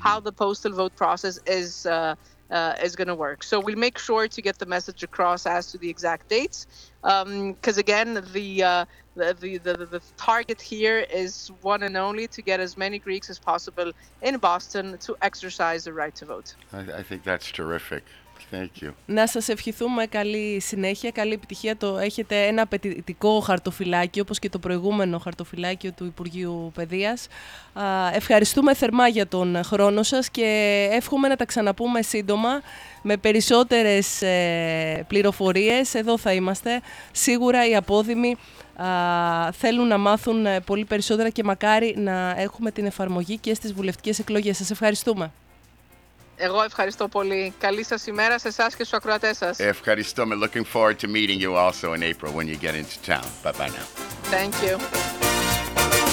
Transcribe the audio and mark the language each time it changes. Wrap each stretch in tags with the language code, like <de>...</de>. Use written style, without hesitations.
<en>how the postal vote process is going to work. So we'll make sure to get the message across as to the exact dates, because again, the target here is one and only to get as many Greeks as possible in Boston to exercise the right to vote. I think that's terrific. Thank you.</en> <el>Να σας ευχηθούμε καλή συνέχεια, καλή επιτυχία. Το έχετε ένα απαιτητικό χαρτοφυλάκιο, όπως και το προηγούμενο χαρτοφυλάκιο του Υπουργείου Παιδείας. Ευχαριστούμε θερμά για τον χρόνο σας και εύχομαι να τα ξαναπούμε σύντομα με περισσότερες πληροφορίες. Εδώ θα είμαστε. Σίγουρα οι απόδημοι θέλουν να μάθουν πολύ περισσότερα και μακάρι να έχουμε την εφαρμογή και στις βουλευτικές εκλογές. Σας ευχαριστούμε. Εγώ ευχαριστώ πολύ. Καλή σας ημέρα σε εσάς και στους ακροατές σας. Ευχαριστώ.</el> <en>I'm looking forward to meeting you also in April when you get into town. Bye bye now. Thank you.</en>